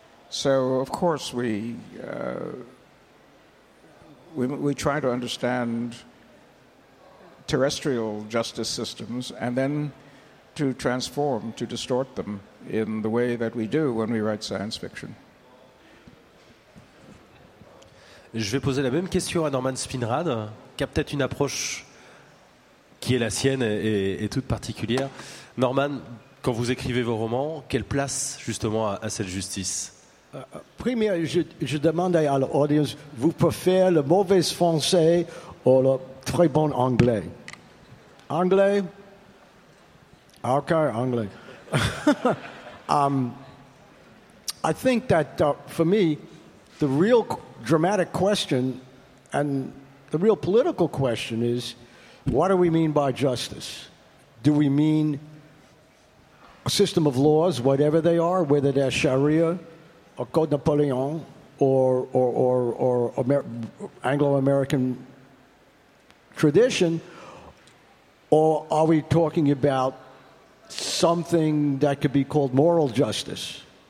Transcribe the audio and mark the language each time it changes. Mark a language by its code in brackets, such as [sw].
[en] So, of course, we try to understand terrestrial justice systems and then to transform, to distort them in the way that we do when we write science fiction. [fr] Je vais poser la même question à Norman Spinrad, qui a peut-être une approche qui est la sienne et toute particulière. Norman, quand vous écrivez vos romans, quelle place justement à cette justice ? Premier, je demande à l'audience, vous préférez le mauvais français ou le très bon anglais ? Anglais ? Ok, anglais. [en] I think that for me, the real dramatic question and the real political question is, what do we mean by justice? Do we mean a system of laws, whatever they are, whether they're Sharia or Code Napoleon or Anglo-American tradition, or are we talking about something that could be called moral justice?